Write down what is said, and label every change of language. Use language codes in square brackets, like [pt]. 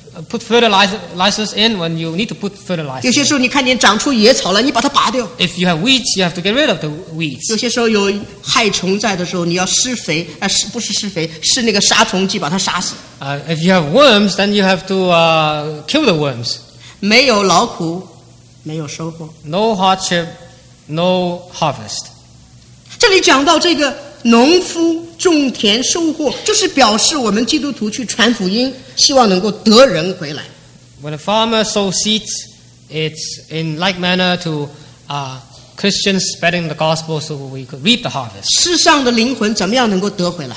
[en] Put fertilizers in when you need to put fertilizer. [zh] 有些时候你看见长出野草了，你把它拔掉。 [en] If you have weeds, you have to get rid of the weeds. [zh] 有些时候有害虫在的时候，你要施肥，不是施肥，是那个杀虫剂把它杀死。 [en] If you have worms, then you have to kill the worms. [zh] 没有劳苦，没有收获。 [en] No hardship, no harvest. [zh] 这里讲到这个农夫种田收获，就是表示我们基督徒去传福音，希望能够得人回来。 [en] When a farmer sows seeds, it's in like manner to Christians spreading the gospel so we could reap the harvest. [zh] 世上的灵魂怎么样能够得回来